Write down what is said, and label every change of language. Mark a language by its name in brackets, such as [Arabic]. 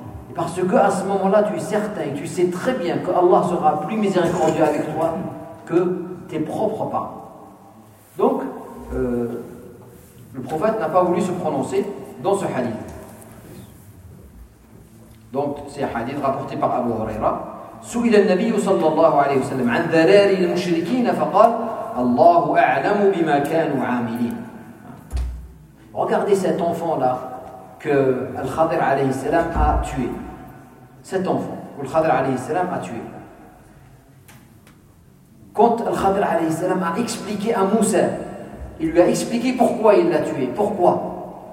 [French] Et parce que à ce moment-là, tu es certain et tu sais très bien que Allah sera plus miséricordieux avec toi que tes propres parents. Donc, le prophète n'a pas voulu se prononcer dans ce hadith. Donc, c'est un hadith rapporté par Abu Huraira. [Arabic] سئل النبي صلى الله عليه وسلم عن ذرار المشركين فقال الله أعلم بما كانوا عاملين. [French] Regardez cet enfant-là que Al-Khadir alayhi salam a tué. Cet enfant que Al-Khadir alayhi salam a tué. Quand Al-Khadir alayhi salam a expliqué à Moussa, il lui a expliqué pourquoi il l'a tué. Pourquoi?